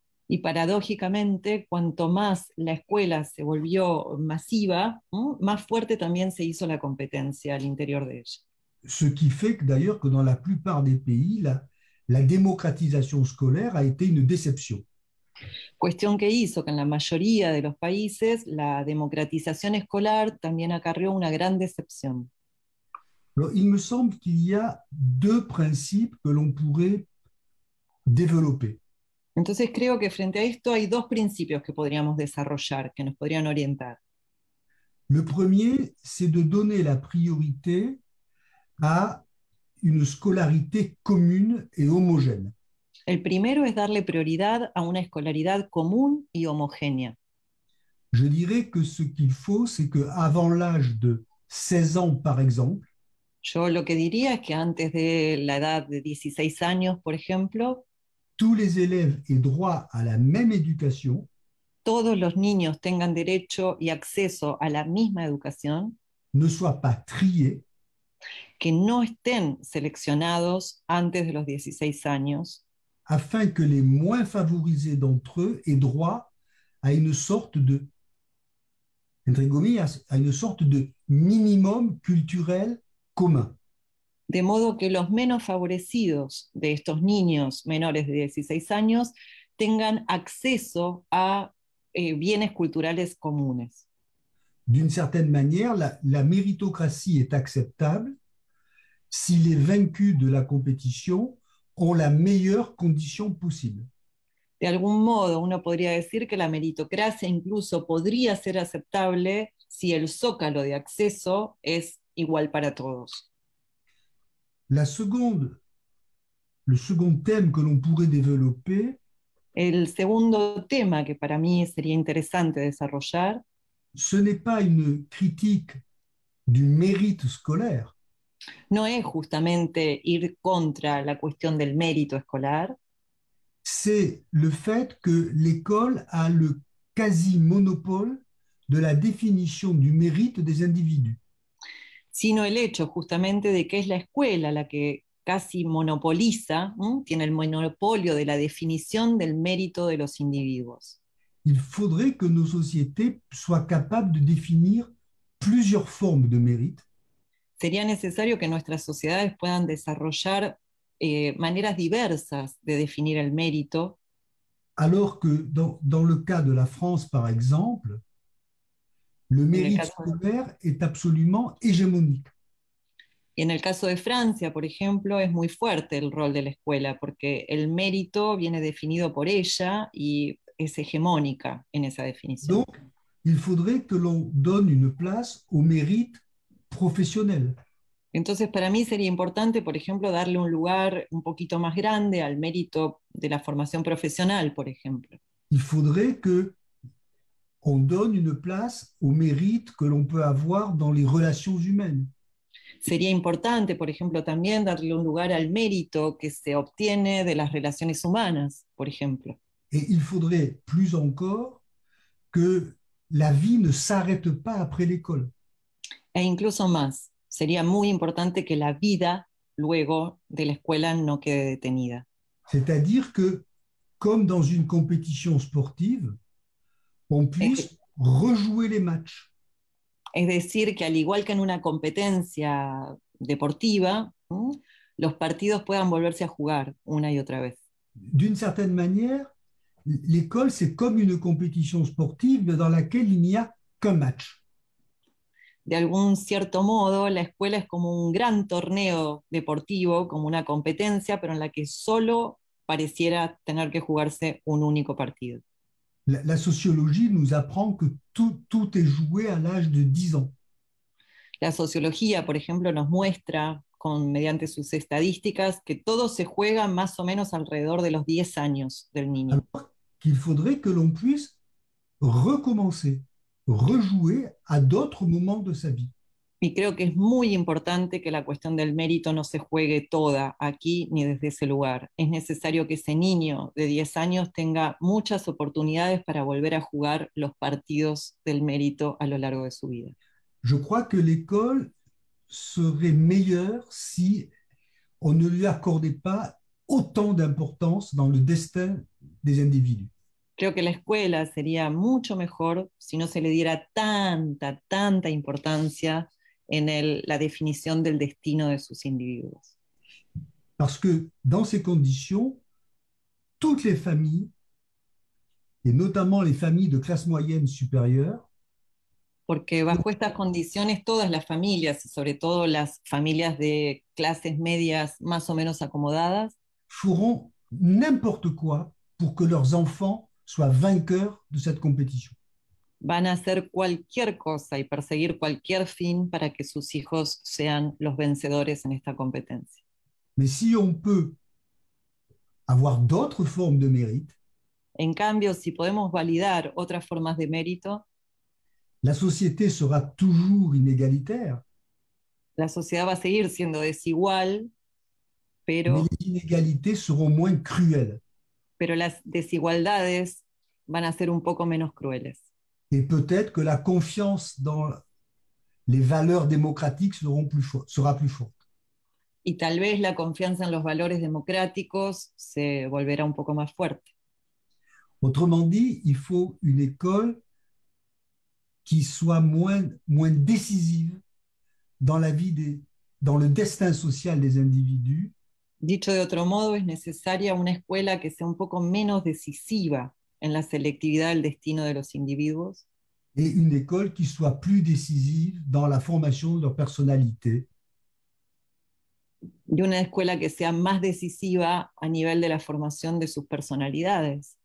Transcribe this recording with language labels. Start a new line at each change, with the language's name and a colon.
Spanish: Y paradójicamente, cuanto más la escuela se volvió masiva, más fuerte también se hizo la competencia al interior de ella.
French: Ce qui fait que d'ailleurs que dans la plupart des pays, la démocratisation scolaire a été une déception.
Spanish: Cuestión que hizo que en la mayoría de los países la democratización escolar también acarreó una gran decepción.
French: Alors, il me semble qu'il y a deux principes que l'on pourrait développer.
Spanish: Entonces creo que frente a esto hay dos principios que podríamos desarrollar, que nos podrían orientar.
French: Le premier, c'est de donner la priorité à une scolarité commune et homogène.
Spanish: El primero es darle prioridad a una escolaridad común y homogénea.
French: Je dirais que ce qu'il faut, c'est que avant l'âge de 16 ans, par exemple,
Spanish: yo lo que diría es que antes de la edad de 16 años, por ejemplo,
French: tous les élèves aient droit à la même éducation,
Spanish: todos los niños tengan derecho y acceso a la misma educación,
French: ne soient pas triés,
Spanish: que no estén seleccionados antes de los 16 años,
French: afin que les moins favorisés d'entre eux aient droit à une sorte de, entre guillemets, à une sorte de minimum culturel commun.
Spanish: De modo que los menos favorecidos de estos niños menores de 16 años tengan acceso a bienes culturales comunes.
French: d'une certaine manière, la méritocratie est acceptable si les vaincus de la compétition ont la meilleure condition possible.
Spanish: De algún modo, uno podría decir que la meritocracia incluso podría ser aceptable si el zócalo de acceso es igual para todos.
French: Le second thème que l'on pourrait développer,
Spanish: el segundo tema que para mí sería interesante desarrollar,
French: ce n'est pas une critique du mérite scolaire.
Spanish: No es justamente ir contra la cuestión del mérito escolar.
French: C'est le fait que l'école a le quasi-monopole de la définition du mérite des individus.
Spanish: Sino el hecho justamente de que es la escuela la que casi monopoliza, tiene el monopolio de la definición del mérito de los individuos.
French: Il faudrait que nos sociétés soient capables de définir plusieurs formes de mérite.
Spanish: Sería necesario que nuestras sociedades puedan desarrollar maneras diversas de definir el mérito.
French: Alors que dans le cas de la France, par exemple, le mérite scolaire est absolument hégémonique.
Spanish: Y en el caso de Francia, por ejemplo, es muy fuerte el rol de la escuela porque el mérito viene definido por ella y es hegemónica en esa definición.
French: Donc, il faudrait que l'on donne une place au mérite professionnel.
Spanish: Entonces, para mí sería importante, por ejemplo, darle un lugar un poquito más grande al mérito de la formación profesional, por ejemplo.
French: Il faudrait que on donne une place au mérite que l'on peut avoir dans les relations humaines.
Spanish: Sería importante, por ejemplo, también darle un lugar al mérito que se obtiene de las relaciones humanas, por ejemplo.
French: Et il faudrait plus encore que la vie ne s'arrête pas après l'école.
Spanish: E incluso más, sería muy importante que la vida luego de la escuela no quede detenida.
French: C'est-à-dire que, comme dans une compétition sportive, on puisse rejouer les matchs.
Spanish: Es decir, que al igual que en una competencia deportiva, los partidos puedan volverse a jugar una y otra vez.
French: D'une certaine manière, l'école, c'est comme une compétition sportive dans laquelle il n'y a qu'un match.
Spanish: De algún cierto modo, la escuela es como un gran torneo deportivo, como una competencia, pero en la que solo pareciera tener que jugarse un único partido.
French: La sociologie nous apprend que tout est joué à l'âge de 10 ans.
Spanish: La sociología, por ejemplo, nos muestra, mediante sus estadísticas, que todo se juega más o menos alrededor de los 10 años del niño.
French: Alors, qu'il faudrait que l'on puisse recommencer, rejouer à d'autres moments de sa vie.
Spanish: Y creo que es muy importante que la cuestión del mérito no se juegue toda aquí ni desde ese lugar. Es necesario que ese niño de 10 años tenga muchas oportunidades para volver a jugar los partidos del mérito a lo largo de su vida.
French: Je crois que l'école serait meilleure si on ne lui accordait pas autant d'importance dans le destin des individus.
Spanish: Creo que la escuela sería mucho mejor si no se le diera tanta importancia en la definición del destino de sus individuos.
French: Parce que dans ces conditions, toutes les familles, et notamment les familles de classe moyenne supérieure,
Spanish: porque bajo estas condiciones todas las familias, sobre todo las familias de clases medias más o menos acomodadas,
French: feront n'importe quoi pour que leurs enfants soient vainqueurs de cette compétition.
Spanish: Van a hacer cualquier cosa y perseguir cualquier fin para que sus hijos sean los vencedores en esta competencia.
French: Mais si on peut avoir d'autres formes de mérite,
Spanish: en cambio, si podemos validar otras formas de mérito,
French: la société sera toujours inégalitaire.
Spanish: La sociedad va a seguir siendo desigual, pero
French: les inégalités seront moins cruelles.
Spanish: Pero las desigualdades van a ser un poco menos crueles.
French: Et peut-être que la confiance dans les valeurs démocratiques sera plus forte.
Spanish: Y tal vez la confianza en los valores democráticos se volverá un poco más fuerte.
French: Autrement dit, il faut une école qui soit moins décisive dans la vie dans le destin social des individus.
Spanish: Dicho de otro modo, es necesaria una escuela que sea un poco menos decisiva en la selectividad del destino de los individuos.
French: et une école qui soit plus décisive dans la formation de leur personnalité.
Spanish: Y una escuela que sea más decisiva a nivel de la formación de sus personalidades.